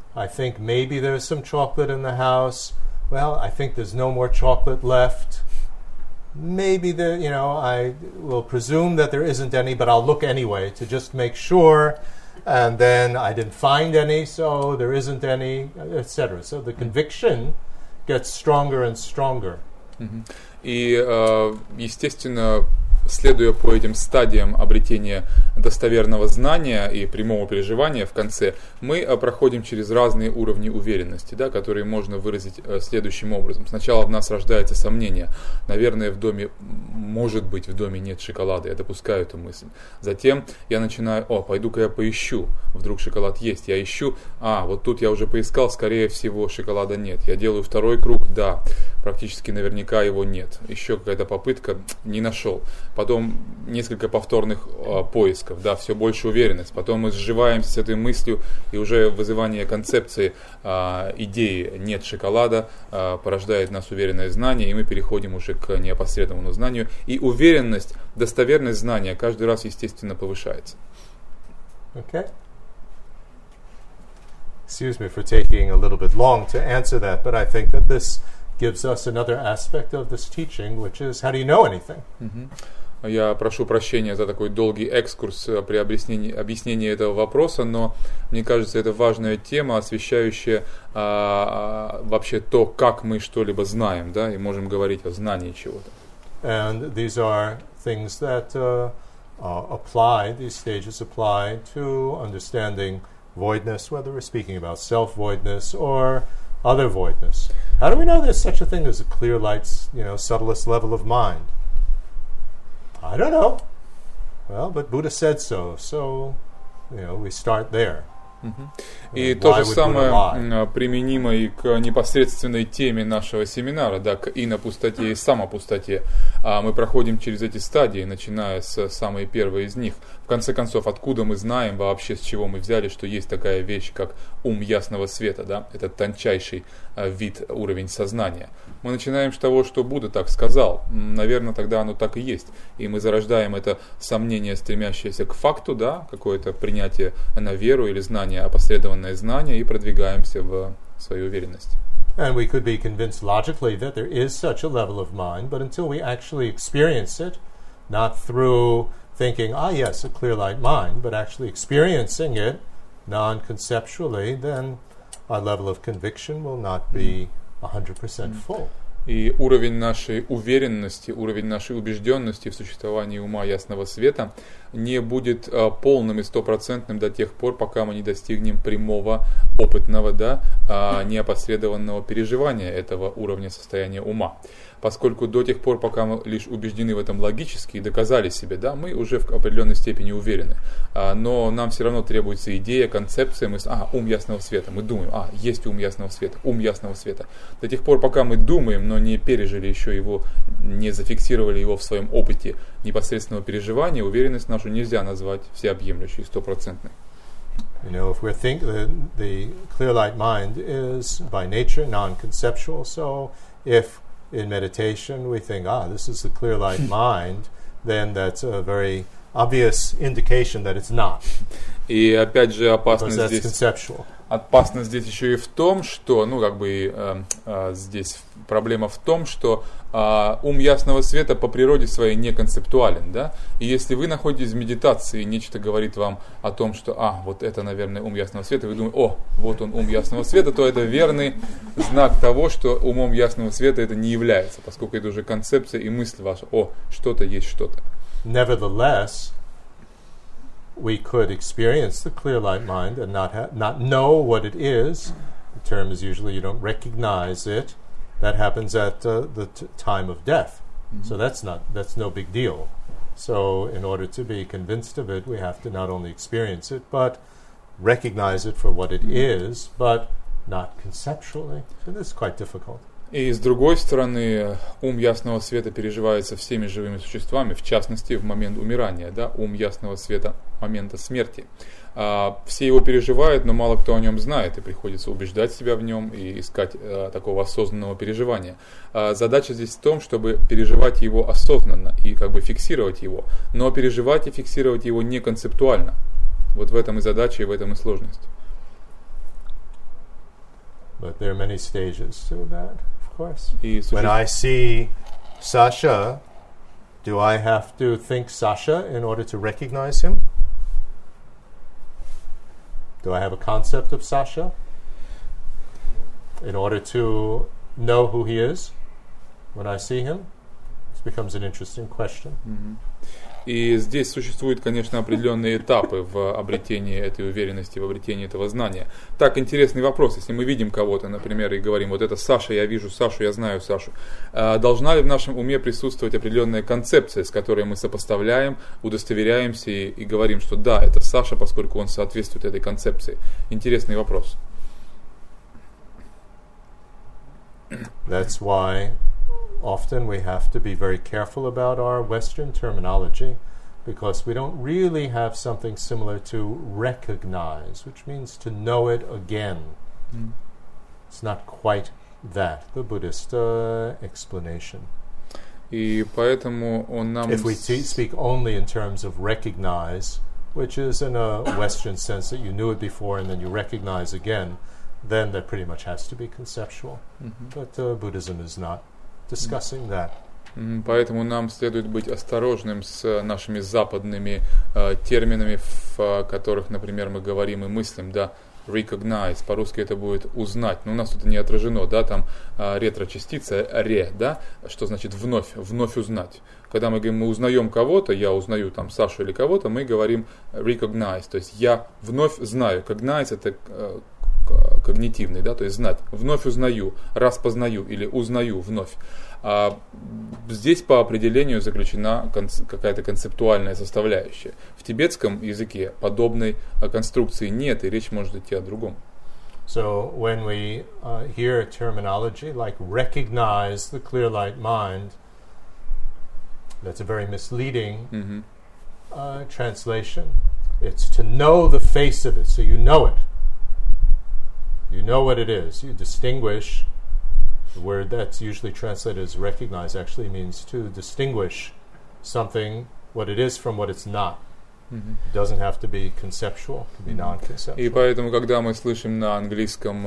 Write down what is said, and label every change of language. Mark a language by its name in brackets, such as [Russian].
[English] I think maybe there's some chocolate in the house. Well, I think there's no more chocolate left. Maybe there, you know, I will presume that there isn't any, but I'll look anyway to just make sure. And then I didn't find any, so there isn't any, etc. So the conviction gets stronger and stronger. [Russian] И, естественно, следуя по этим стадиям обретения достоверного знания и прямого переживания в конце, мы проходим через разные уровни уверенности, да, которые можно выразить следующим образом. Сначала в нас рождается сомнение. Наверное, в доме, может быть, в доме нет шоколада. Я допускаю эту мысль. Затем я начинаю, о, пойду-ка я поищу. Вдруг шоколад есть. Я ищу, а, вот тут я уже поискал, скорее всего, шоколада нет. Я делаю второй круг, да, практически наверняка его нет. Еще какая-то попытка, не нашел. Потом несколько повторных поисков, да, все больше уверенность. Потом мы сживаемся с этой мыслью, и уже вызывание концепции идеи «нет шоколада» порождает в нас уверенное знание, и мы переходим уже к непосредственному знанию. И уверенность, достоверность знания каждый раз, естественно, повышается. [English] Okay. Excuse me for taking a little bit long to answer that, but I think that this gives us another aspect of this teaching, which is, how do you know anything? [Russian] Я прошу прощения за такой долгий экскурс при объяснении этого вопроса, но мне кажется, это важная тема, освещающая вообще то, как мы что-либо знаем, да, и можем говорить о знании чего-то. [English] And these are things that apply, these stages apply to understanding voidness, whether we're speaking about self-voidness or other voidness. How do we know there's such a thing as a clear light, you know, subtlest level of mind? I don't know. Well, but Buddha said so. So, you know, we start there. [Russian] И то же самое применимо и к непосредственной теме нашего семинара, да, к инопустоте и самопустоте. Мы проходим через эти стадии, начиная с самой первой из них. В конце концов, откуда мы знаем вообще, с чего мы взяли, что есть такая вещь, как ум ясного света, да, этот тончайший вид, уровень сознания. Мы начинаем с того, что Будда так сказал. Наверное, тогда оно так и есть. И мы зарождаем это сомнение, стремящееся к факту, да, какое-то принятие на веру или знание, опосредованное знание, и продвигаемся в свою уверенность. [English] And we could be convinced logically that there is such a level of mind, but until we actually experience it, not through thinking, ah, yes, a clear light mind, but actually experiencing it non-conceptually, then our level of conviction will not be 100% full. [Russian] И уровень нашей уверенности, уровень нашей убежденности в существовании ума ясного света не будет полным и стопроцентным до тех пор, пока мы не достигнем прямого, опытного, да, неопосредованного переживания этого уровня состояния ума. Поскольку до тех пор, пока мы лишь убеждены в этом логически и доказали себе, да, мы уже в определенной степени уверены. Но нам все равно требуется идея, концепция, ум ясного света. Мы думаем, есть ум ясного света, ум ясного света. До тех пор, пока мы думаем, но не пережили еще его, не зафиксировали его в своем опыте непосредственного переживания, уверенность нашу нельзя назвать всеобъемлющей, стопроцентной. [English] You know, if we think that the clear light mind is by nature non-conceptual, so if in meditation we think, this is the clear light mind, then that's a very obvious indication that it's not. [Russian] И опять же, опасность здесь [English] conceptual. [Russian] Опасность здесь еще и в том, что, здесь проблема в том, что ум ясного света по природе своей не концептуален, да? И если вы находитесь в медитации, и нечто говорит вам о том, что, вот это, наверное, ум ясного света, вы думаете, вот он, ум ясного света, то это верный знак того, что умом ясного света это не является, поскольку это уже концепция и мысль ваша, что-то есть что-то. [English] Nevertheless, we could experience the clear light mind and not know what it is. The term is usually you don't recognize it. That happens at the time of death. Mm-hmm. So that's no big deal. So in order to be convinced of it, we have to not only experience it, but recognize it for what it is, but not conceptually. So this is quite difficult. [Russian] И с другой стороны, ум ясного света переживается всеми живыми существами, в частности, в момент умирания, да, ум ясного света момента смерти. Все его переживают, но мало кто о нем знает, и приходится убеждать себя в нем и искать такого осознанного переживания. Задача здесь в том, чтобы переживать его осознанно и как бы фиксировать его, но переживать и фиксировать его не концептуально. Вот в этом и задача, и в этом и сложность. [English] But there are many stages to that, of course. [Russian] И, [English] when I see Sasha, do I have to think Sasha in order to recognize him? Do I have a concept of Sasha in order to know who he is when I see him? This becomes an interesting question. Mm-hmm. [Russian] И здесь существуют, конечно, определенные этапы в обретении этой уверенности, в обретении этого знания. Так, интересный вопрос. Если мы видим кого-то, например, и говорим, вот это Саша, я вижу Сашу, я знаю Сашу. Должна ли в нашем уме присутствовать определенная концепция, с которой мы сопоставляем, удостоверяемся и говорим, что да, это Саша, поскольку он соответствует этой концепции? Интересный вопрос. [English] That's why... Often we have to be very careful about our Western terminology because we don't really have something similar to recognize, which means to know it again. Mm. It's not quite that, the Buddhist explanation. [Russian] И поэтому он нам... [English] If we speak only in terms of recognize, which is in a Western sense that you knew it before and then you recognize again, then that pretty much has to be conceptual. Mm-hmm. But Buddhism is not. Discussing that. [Russian] Поэтому нам следует быть осторожным с нашими западными терминами, в которых, например, мы говорим и мыслим, да, recognize, по-русски это будет узнать, но у нас тут не отражено, да, там ретро-частица, ре, да, что значит вновь узнать. Когда мы говорим, мы узнаем кого-то, я узнаю там Сашу или кого-то, мы говорим recognize, то есть я вновь знаю, cognize это... когнитивный, да, то есть знать, вновь узнаю, распознаю или узнаю вновь. А здесь по определению заключена какая-то концептуальная составляющая. В тибетском языке подобной конструкции нет, и речь может идти о другом. [English] So when we hear a terminology like recognize the clear light mind, that's a very misleading translation. It's to know the face of it, so you know it. You know what it is. You distinguish. The word that's usually translated as recognize actually means to distinguish something, what it is from what it's not. Mm-hmm. It doesn't have to be conceptual. It can be non-conceptual. [Russian] И поэтому, когда мы слышим на английском...